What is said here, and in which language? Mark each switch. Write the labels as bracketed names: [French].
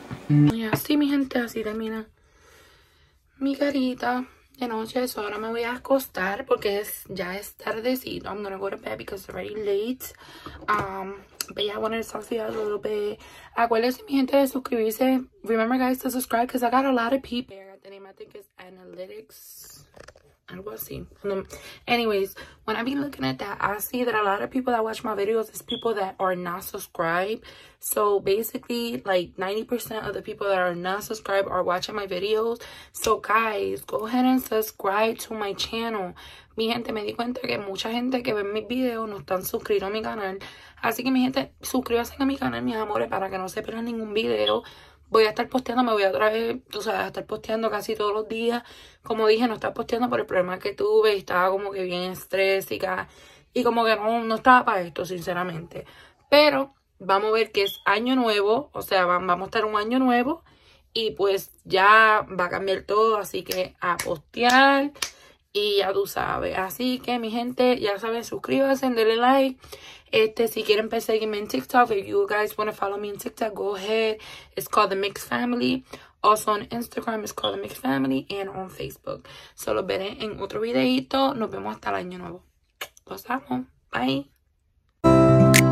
[Spanish] Y así, mi gente, así termina mi carita. De noche, so ahora me voy a acostar porque ya es tardecito. [English] I'm gonna go to bed because it's already late. But yeah, I wanted to talk to you guys a little bit. [Spanish] Acuérdense, mi gente, de suscribirse. [English] Remember, guys, to subscribe because I got a lot of people. The name I think is Analytics. [Spanish] Algo así. [English] Anyways, when I be looking at that, I see that a lot of people that watch my videos is people that are not subscribed. So basically, like 90% of the people that are not subscribed are watching my videos. So guys, go ahead and subscribe to my channel. [Spanish] Mi gente, me di cuenta que mucha gente que ve mis videos no están suscrito a mi canal. Así que mi gente, suscríbanse a mi canal, mis amores, para que no se pierdan ningún video. voy a estar posteando, me voy a traer, tú sabes, a estar posteando casi todos los días. Como dije, no estaba posteando por el problema que tuve y estaba como que bien estrésica y como que no estaba para esto, sinceramente. Pero vamos a ver que es año nuevo, o sea, vamos a estar un año nuevo y pues ya va a cambiar todo, así que a postear y ya tú sabes. Así que mi gente, ya saben, suscríbanse, denle like. Si quieren seguirme en TikTok, [English] if you guys want to follow me in TikTok, go ahead. It's called The Mixed Family. Also on Instagram, it's called The Mixed Family. And on Facebook. [Spanish] Solo veré en otro videito. Nos vemos hasta el año nuevo. Los amo. Bye.